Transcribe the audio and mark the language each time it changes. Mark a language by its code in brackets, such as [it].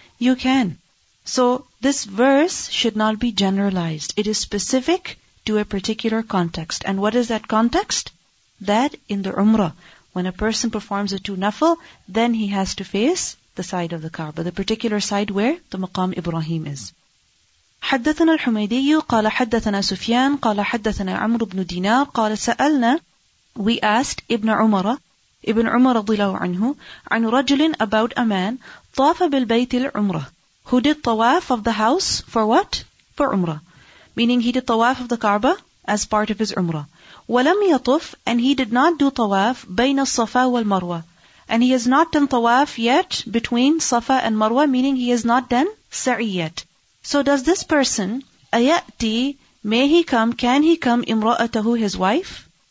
[en] You can. So this verse should not be generalized. It is specific to a particular context. And what is that context? That in the Umrah, when a person performs a two nafl, then he has to face the side of the Kaaba, the particular side where the Maqam Ibrahim is. [ar] حدثنا الحميدي قال حدثنا سفيان قال حدثنا عمرو بن دينار قال سألنا, [en] we asked Ibn Umar [ar] رضي الله عنه, عن رجل, [en] about a man, [ar] طاف بالبيت العمره, [en] who did tawaf of the house for what? For Umrah. Meaning he did tawaf of the Kaaba as part of his umrah. [ar] وَلَمْ يَطُفْ, [en] and he did not do tawaf [ar] بَيْنَ الصَّفَى وَالْمَرْوَى, [en] and he has not done tawaf yet between Safa and Marwa, meaning he has not done sa'i yet. So does this person, [ar] أَيَأْتِي, [en] may he come, can he come, [ar] إِمْرَأَتَهُ, [en] his wife?